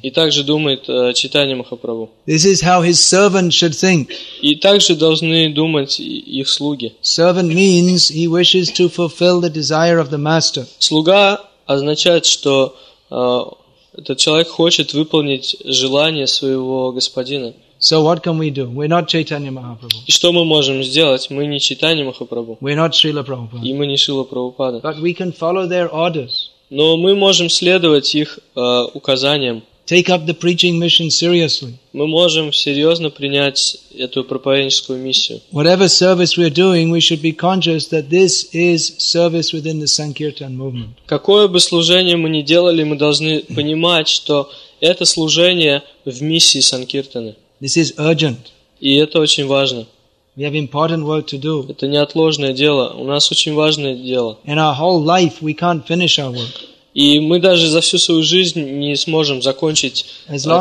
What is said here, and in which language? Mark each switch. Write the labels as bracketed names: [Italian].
[Russian] И также думает Чайтанья Махапрабху. [English] This is how his servant should think. [Russian] И также должны думать их слуги. [English] Servant means he wishes to fulfill the desire of the master. [Russian] Слуга означает, что этот человек хочет выполнить желание своего господина. [English] So what can we do? We're not Chaitanya Mahaprabhu. [Russian] И что мы можем сделать? Мы не Чайтанья Махапрабху. [English] We're not Srila Prabhupada. [Russian] И мы не Шрила Прабхупада. [English] But we can follow their orders. [Russian] Но мы можем следовать их указаниям. [English] Take up the preaching mission seriously. [Russian] Мы можем серьезно принять эту проповедническую миссию. [English] Whatever service we are doing, we should be conscious that this is service within the Sankirtan movement. [Russian] Какое бы служение мы ни делали, мы должны понимать, что это служение в миссии Санкиртаны. [English] This is urgent. [Russian] И это очень важно. [English] We have important work to do. [Russian] Это неотложное дело. У нас очень важное дело. [English] In our whole life, we can't finish our work. [Russian] И мы даже за всю свою жизнь не сможем закончить это дело.